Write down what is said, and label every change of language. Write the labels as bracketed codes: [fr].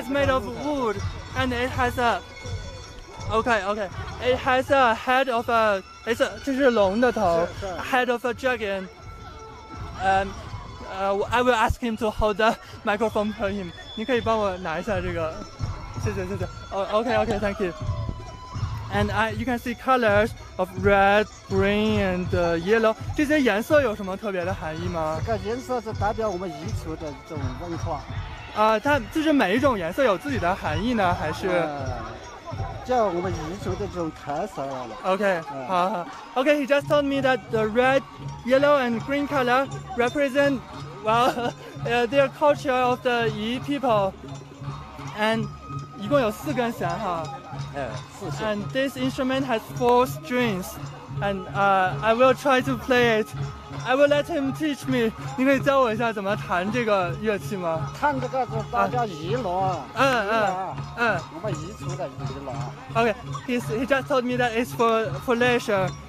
[en] It's made of wood, and it has a, okay. It has a head of a, [zh] 这是龙的头。是。 [en] Head of a dragon. I will ask him to hold the microphone for him. [zh] 你可以帮我拿一下这个，谢谢。 [en] Okay, thank you. And you can see colors. Of red, green, and yellow. [zh] 这些颜色有什么特别的含义吗？这个颜色是代表我们彝族的这种文化。它就是每一种颜色有自己的含义呢，还是？叫我们彝族的这种特色了。 [en] Okay, 好。 Okay, he just told me that the red, yellow, and green color represent, their culture of the Yi people. [zh] And 一共有四根弦哈。 [en] And this instrument has four strings, and I will try to play it. I will let him teach me. [zh] 你可以教我一下怎么弹这个乐器吗？弹这个是大家彝锣。我们彝族的彝锣。 [en] Okay, he just told me that it's for leisure.